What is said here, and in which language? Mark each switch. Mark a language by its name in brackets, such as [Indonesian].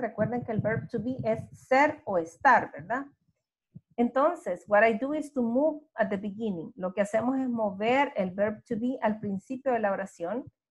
[Spanish] Recuerden que el verb to be es ser o estar, ¿verdad? [English] Entonces, what I do is to move at the beginning. [Spanish] Lo que hacemos es mover el verb to be al principio de la oración.